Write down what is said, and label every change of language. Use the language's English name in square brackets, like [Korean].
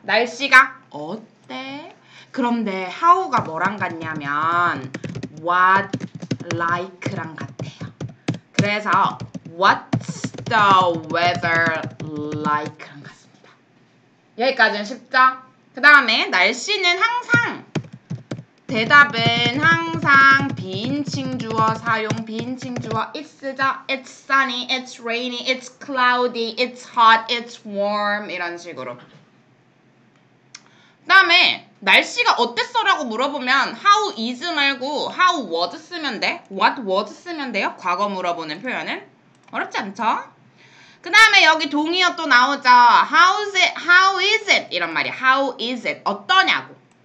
[Korean] 날씨가 어때? 그런데 how가 뭐랑 같냐면 what, like랑 같아요. 그래서 [English] What's the weather like? [Korean] 같습니다. 여기까지는 쉽죠? 그 다음에 날씨는 항상 대답은 항상 비인칭 주어 사용. 비인칭 주어 it's죠. [English] It's sunny, it's rainy, it's cloudy, it's hot, it's warm [Korean] 이런 식으로. 그 다음에 날씨가 어땠어? 라고 물어보면 how is 말고 how was 쓰면 돼? what was 쓰면 돼요? 과거 물어보는 표현은? 어렵지 않죠? 그 다음에 여기 동의어 또 나오죠. [English] How's it? How is it? [Korean] 이런 말이야. [English] How is it? [Korean] 어떠냐고.